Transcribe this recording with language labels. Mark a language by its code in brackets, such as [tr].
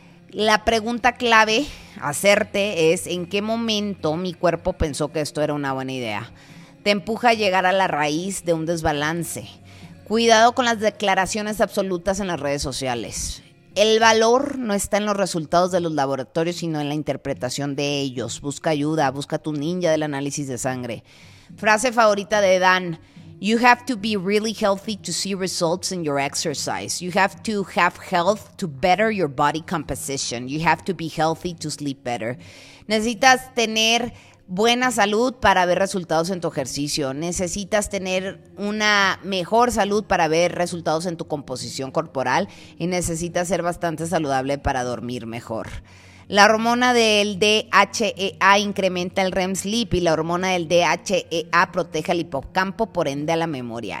[es] La pregunta clave a hacerte es, ¿en qué momento mi cuerpo pensó que esto era una buena idea? Te empuja a llegar a la raíz de un desbalance. Cuidado con las declaraciones absolutas en las redes sociales. El valor no está en los resultados de los laboratorios, sino en la interpretación de ellos. Busca ayuda, busca tu ninja del análisis de sangre. Frase favorita de Dan: [en] You have to be really healthy to see results in your exercise. You have to have health to better your body composition. You have to be healthy to sleep better. [es] Necesitas tener buena salud para ver resultados en tu ejercicio. Necesitas tener una mejor salud para ver resultados en tu composición corporal. Y necesitas ser bastante saludable para dormir mejor. La hormona del DHEA incrementa el REM sleep y la hormona del DHEA protege al hipocampo, por ende a la memoria.